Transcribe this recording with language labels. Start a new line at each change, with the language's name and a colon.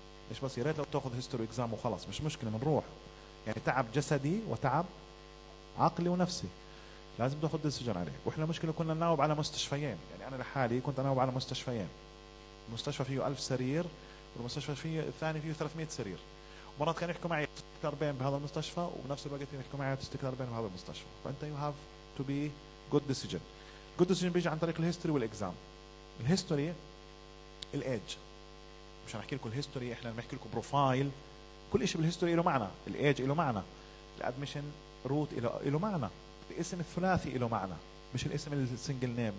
Arabic: مش بس ياريت لو تأخذ history exam وخلاص، مش مشكلة منروح. يعني تعب جسدي وتعب عقلي ونفسي لازم تأخذ decision عليه. وإحنا مشكلة كنا نناوب على مستشفيين، يعني أنا لحالي كنت أناوب على مستشفيين، المستشفى فيه 1000 سرير والمستشفى فيه الثاني فيه 300 سرير. مرات كان يحكوا معي تستكلر بين بهذا المستشفى وبنفس الوقت يحكوا معي تستكلر بين بهذا المستشفى.
English: فأنت you have to be good decision. good decision
Arabic: بيجي عن طريق الهيستوري والإكزام. الهيستوري الإيج، مش هنحكي لكم الهيستوري، إحنا بنحكي لكم بروفايل. كل إشي بالهيستوري إله معنى، الإيج إله معنى، الأدميشن روت إله معنى، الاسم الثلاثي إله معنى، مش الاسم السنجل نيم.